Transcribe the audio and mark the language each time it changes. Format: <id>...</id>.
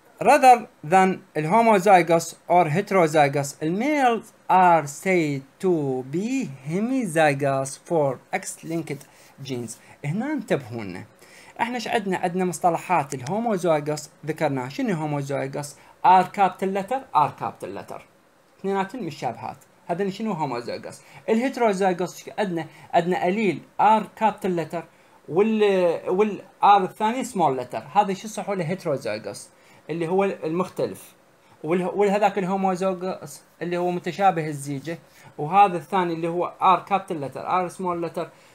<en>Rather than homozygous or heterozygous, males are said to be hemizygous for X-linked genes.</en> <ar>هنا انتبهوا لنا. احنا ايش عندنا؟ عندنا مصطلحات الهوموزايغوس ذكرناها. شنو هوموزايغوس؟ R capital letter، R capital letter. اثنيناتهم مشابهات. هذا شنو هوموزايغوس؟ الهيتروزايغوس عندنا؟ عندنا اليل R capital letter وال R الثاني small letter. هذا شو صحوا له هيتروزايغوس؟ اللي هو المختلف، وهذاك الهوموزوغوس اللي هو متشابه الزيجة، وهذا الثاني اللي هو R capital letter R small letter.</ar>